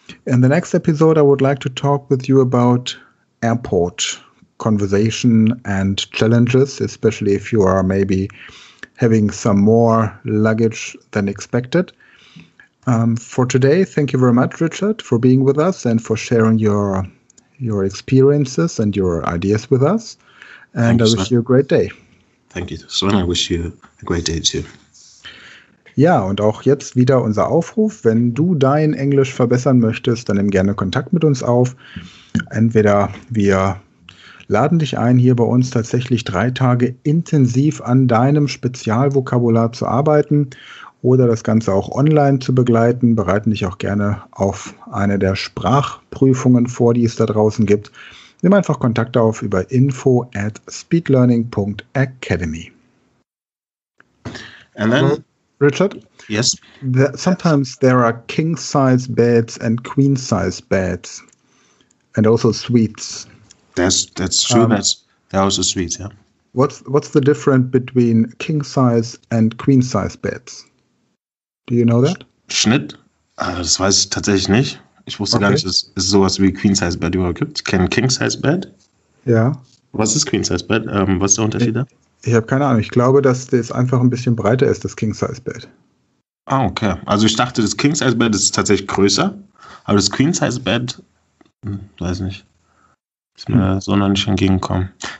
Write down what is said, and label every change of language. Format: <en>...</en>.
<en>In the next episode, I would like to talk with you about airport conversation and challenges, especially if you are maybe having some more luggage than expected. For today, thank you very much, Richard, for being with us and for sharing your experiences and your ideas with us. And thank I you, wish you a great day. Thank you, Sven. I wish you a great day, too.</en> <de>Ja, und auch jetzt wieder unser Aufruf. Wenn du dein Englisch verbessern möchtest, dann nimm gerne Kontakt mit uns auf. Entweder wir laden dich ein, hier bei uns tatsächlich 3 Tage intensiv an deinem Spezialvokabular zu arbeiten oder das Ganze auch online zu begleiten. Bereiten dich auch gerne auf eine der Sprachprüfungen vor, die es da draußen gibt. Nimm einfach Kontakt auf über info@speedlearning.academy.</de> <en>And then Richard? Yes. Sometimes there are king size beds and queen size beds and also suites. That's true. There are also suites, yeah. What's the difference between king size and queen size beds? Do you know that?</en> <de>Schnitt? Das weiß ich tatsächlich nicht. Ich wusste gar nicht, dass es sowas wie queen size bed überhaupt gibt. Kennen king size bed? Ja. Was ist queen size bed? Was ist der Unterschied da? Ich habe keine Ahnung. Ich glaube, dass das einfach ein bisschen breiter ist, das King-Size-Bett. Ah, okay. Also ich dachte, das King-Size-Bett ist tatsächlich größer, aber das Queen-Size-Bett, weiß nicht, ist mir so noch nicht entgegenkommen.</de>